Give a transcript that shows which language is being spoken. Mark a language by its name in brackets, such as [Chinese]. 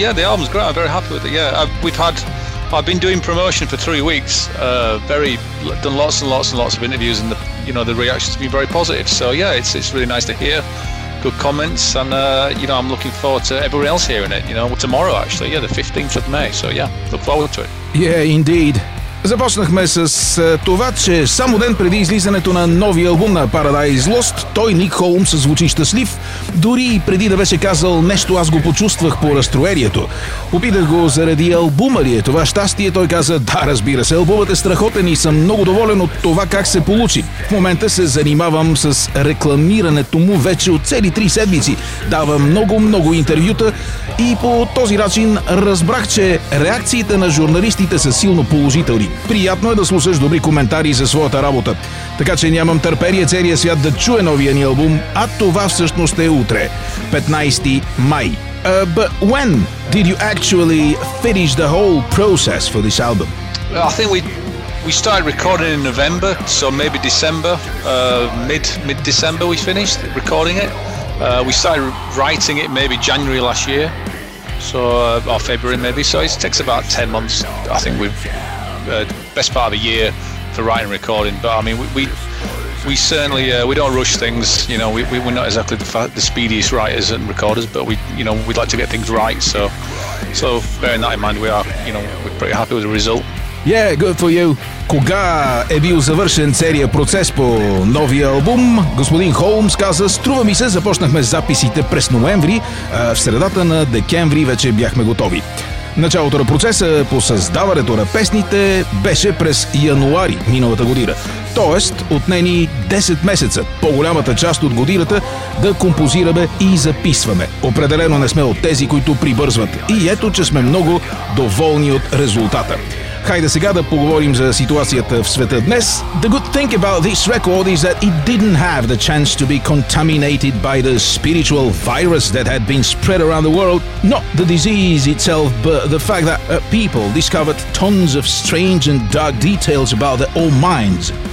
[English] Yeah, the album's great, I'm very happy with it, yeah. I've been doing promotion for 3 weeks, done lots and lots and lots of interviews, and the reaction's been very positive. So yeah, it's really nice to hear good comments, and I'm looking forward to everyone else hearing it, tomorrow actually, yeah, the 15th of May. So yeah, look forward to it. Yeah, indeed. [Bulgarian] Започнахме с това, че само ден преди излизането на новия албум на Paradise Lost, той, Ник Холмс, звучи щастлив, дори и преди да беше казал нещо, аз го почувствах по разтроението. Попитах го заради албума ли е това щастие, той каза, да, разбира се, албумът е страхотен и съм много доволен от това как се получи. В момента се занимавам с рекламирането му вече от цели 3 седмици, давам много-много интервюта и по този начин разбрах, че реакциите на журналистите са силно положителни. Приятно е да слушаш добри коментари за своята работа. Така че нямам търпение целия свят да чуе новия ни албум, а това всъщност е утре, 15 май. [English] But when did you actually finish the whole process for this album? I think we started recording in November, so maybe December, mid-December we finished recording it. We started writing it maybe January last year, so or February maybe, so it takes about 10 months, I think best part of a year for writing and recording, but I mean we certainly don't rush things, we're not exactly the speediest writers and recorders, but we'd like to get things right, so bearing that in mind, we are we're pretty happy with the result. Yeah, good for you. [Bulgarian] Кога е бил завършен целия процес по новия албум? Господин Холмс каза, струва ми се, започнахме записите през ноември, в средата на декември вече бяхме готови. Началото на процеса по създаването на песните беше през януари миналата година. Тоест, отне ни 10 месеца, по-голямата част от годината, да композираме и записваме. Определено не сме от тези, които прибързват. И ето, че сме много доволни от резултата. Хайде сега да поговорим за ситуацията в света днес. [English] The good thing about this record is that it didn't have the chance to be contaminated by the spiritual virus that had been spread around the world. Not the disease itself, but the fact that people discovered tons of strange and dark details about their own minds.